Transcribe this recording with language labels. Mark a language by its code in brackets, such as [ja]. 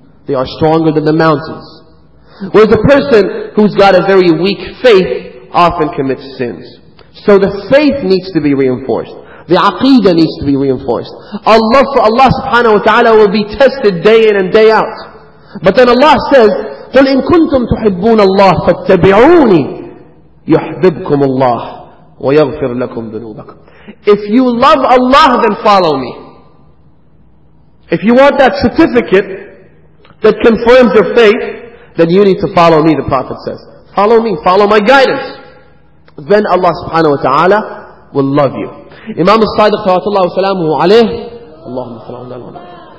[en] They are stronger than the mountains. Whereas a person who's got a very weak faith often commits sins. So the faith needs to be reinforced. The aqidah needs to be reinforced. Allah subhanahu wa ta'ala will be tested day in and day out. But then Allah says, [ar] قُلْ إِن كُنْتُمْ تُحِبُّونَ اللَّهِ فَاتَّبِعُونِي يُحْبِبْكُمُ اللَّهِ وَيَغْفِرْ لَكُمْ ذُنُوبَكُمْ. [en] If you love Allah, then follow me. If you want that certificate that confirms your faith, then you need to follow me, the Prophet says. Follow me, follow my guidance. Then Allah subhanahu wa ta'ala will love you. Imam al-Sadiq salatullahu salamu alayhi, Allahumma salamu alayhi wa sallam.